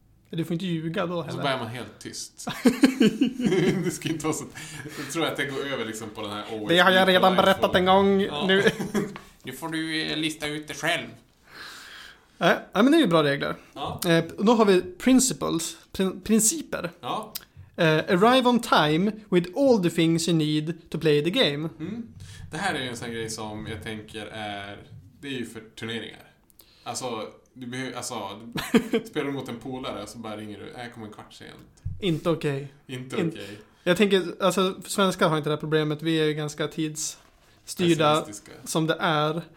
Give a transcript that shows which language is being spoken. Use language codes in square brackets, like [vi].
[sv] Du får inte ljuga då heller. Så börjar man helt tyst. Det ska inte vara så. Jag tror att det går över liksom på den här OSB. Det har jag redan berättat en gång. Ja. Nu. Nu får du lista ut det själv. Nej, men det är ju bra regler. Ja. Då har vi principles. Principer. Ja. [en] Arrive on time with all the things you need to play the game. Mm. [sv] Det här är ju en sån grej som jag tänker är, det är ju för turneringar. Alltså, du spelar mot en polare och så bara ringer du, jag kommer en kvart sent. Inte okej. Okay. Inte okej. Okay. Jag tänker, alltså, svenskar har inte det här problemet, vi är ju ganska tidsstyrda som det är.